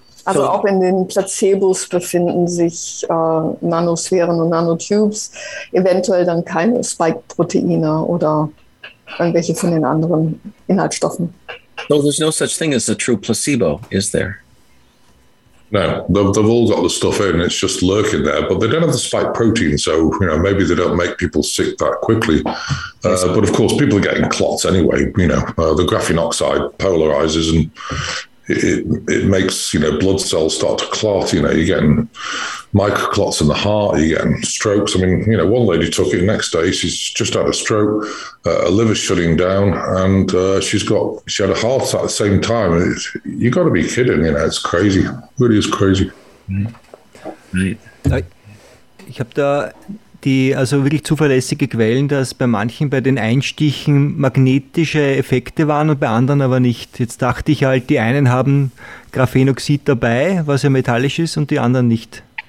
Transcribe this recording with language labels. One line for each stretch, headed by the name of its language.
German: Also auch in den Placebos befinden sich Nanosphären und Nanotubes, eventuell dann keine Spike-Proteine oder irgendwelche von den anderen Inhaltsstoffen.
English: So there's no such thing as a true placebo, is there? No, they've all got the stuff in, it's just lurking there, but they don't have the spike protein, so, you know, maybe they don't make people sick that quickly. But of course, people are getting clots anyway, you know, the graphene oxide polarizes and it makes, you know, blood cells start to clot, you know, you're getting microclots in the heart, you're getting strokes. I mean, you know, one lady took it, next day she's just had a stroke, a liver shutting down, and she had a heart attack at the same time. You got to be kidding, you know, it's crazy. It really is crazy.
German: Ich habe da die, also wirklich zuverlässige Quellen, dass bei manchen bei den Einstichen magnetische Effekte waren und bei anderen aber nicht. Jetzt dachte ich halt, die einen haben Graphenoxid dabei, was ja metallisch ist, und die anderen nicht.